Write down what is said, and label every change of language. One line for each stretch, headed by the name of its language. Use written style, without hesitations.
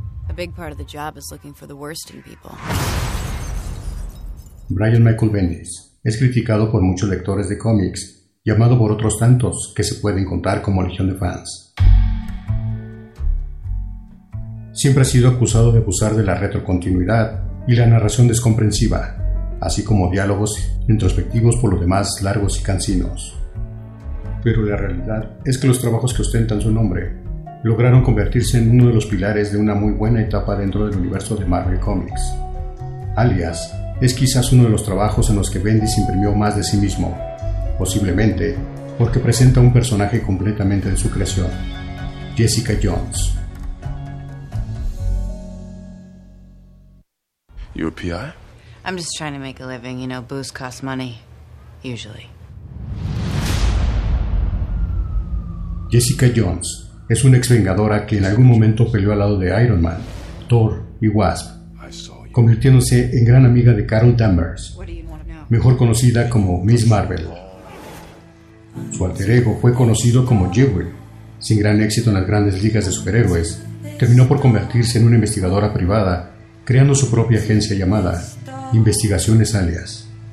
English: A big part of the job is looking for the worst in people.
Spanish: Brian Michael Bendis es criticado por muchos lectores de cómics y amado por otros tantos que se pueden contar como legión de fans. Siempre ha sido acusado de abusar de la retrocontinuidad y la narración descomprensiva, así como diálogos introspectivos por lo demás largos y cansinos. Pero la realidad es que los trabajos que ostentan su nombre lograron convertirse en uno de los pilares de una muy buena etapa dentro del universo de Marvel Comics. Alias es quizás uno de los trabajos en los que Bendis imprimió más de sí mismo, posiblemente porque presenta un personaje completamente de su creación, Jessica Jones.
English: You a PI? I'm just trying to make a living, you know, booze costs money, usually.
Spanish: Jessica Jones es una ex-vengadora que en algún momento peleó al lado de Iron Man, Thor y Wasp, convirtiéndose en gran amiga de Carol Danvers, mejor conocida como Miss Marvel. Su alter ego fue conocido como Jewel. Sin gran éxito en las grandes ligas de superhéroes, terminó por convertirse en una investigadora privada, creando su propia agencia llamada Investigaciones Alias.